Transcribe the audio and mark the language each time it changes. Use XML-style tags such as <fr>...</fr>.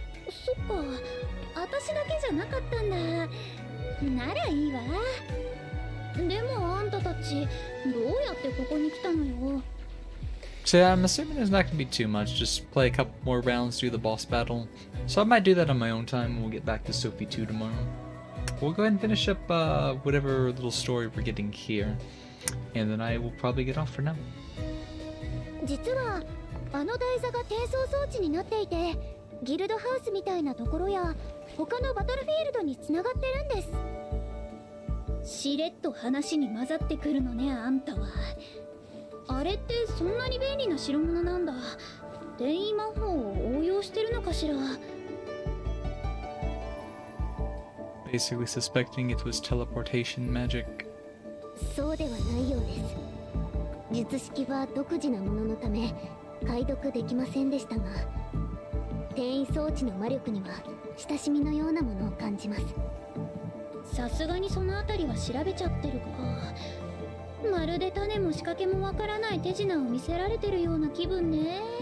<ja>そっか、私だけじゃなかったんだ。ならいいわ。でもあんたたち、どうやってここに来たのよ?</ja> <en>So yeah, I'm assuming it's not going to be too much. Just play a couple more rounds, do the boss battle. So I might do that on my own time, and we'll get back to Sophie 2 tomorrow. We'll go ahead and finish up whatever little story we're getting here. And then I will probably get off for now.</en> <ja>実は、あの台座が転送装置になっていて、ギルドハウスみたいなところや、他のバトルフィールドにつながってるんです。しれっと話に混ざってくるのね、あんたは。あれってそんなに便利な代物なんだ。転移魔法を応用してるのかしら。</ja> <en>Basically suspecting it was teleportation magic.</en> <ja>そうではないようです。術式は独自なもののため、解読できませんでしたが、転移装置の魔力には親しみのようなものを感じます。さすがにそのあたりは調べちゃってるか。まるで種も仕掛けもわからない手品を見せられてるような気分ね。</ja>